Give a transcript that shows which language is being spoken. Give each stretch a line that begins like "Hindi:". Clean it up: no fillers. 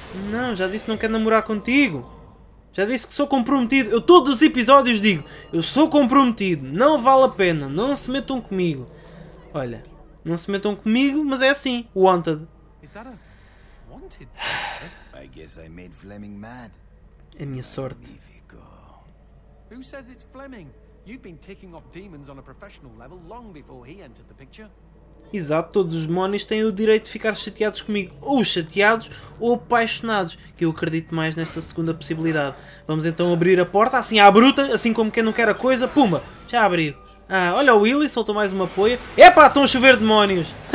Portuguese: Não, já disse que não quer namorar contigo. Já disse que sou comprometido. Eu todos os episódios digo, eu sou comprometido. Não vale a pena, não se metam comigo. Olha, não se metam comigo, mas é assim, wanted.
English: Wanted? Guess I made Fleming mad.
Portuguese: É minha sorte.
English: Who says it's Fleming? You've been ticking off demons on a professional level long before he entered the picture.
Portuguese: Exato, todos os demónios têm o direito de ficar chateados comigo, ou chateados ou apaixonados, que eu acredito mais nesta segunda possibilidade. Vamos então abrir a porta, assim à bruta, assim como quem não quer a coisa, puma, já abriu. Ah, olha o Willy, soltou mais uma poia. Epá, estão a chover demónios.